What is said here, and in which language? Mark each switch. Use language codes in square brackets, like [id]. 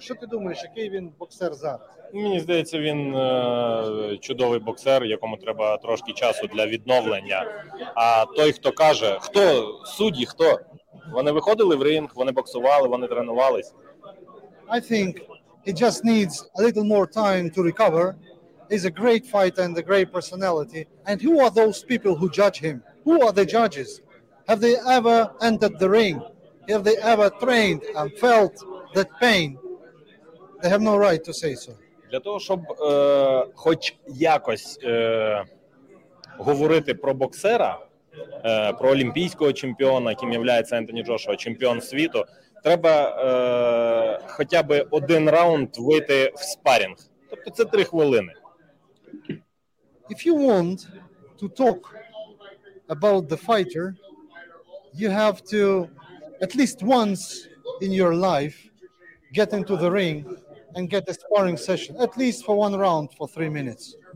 [uk] Що ти думаєш, який він боксер зараз? Мені здається, він чудовий боксер, якому треба трошки часу для відновлення. А той, хто каже, хто судді, хто? Вони виходили в ринг, вони боксували, вони тренувались. [en] I think he just needs a little more time to recover. He's a great fighter and a great personality. And who are those people who judge him? Who are the judges? Have they ever entered the ring? Have they ever trained and felt that pain? They have no right to say so. [uk] Для того, щоб хоч якось говорити про боксера, про олімпійського чемпіона, яким є Ентоні Джошуа, чемпіон світу, треба хоча б один раунд вийти в спарінг. Тобто це 3 хвилини. [en] If you want to talk about the fighter, you have to at least once in your life get into the ring and get a sparring session, at least for one round for 3 minutes.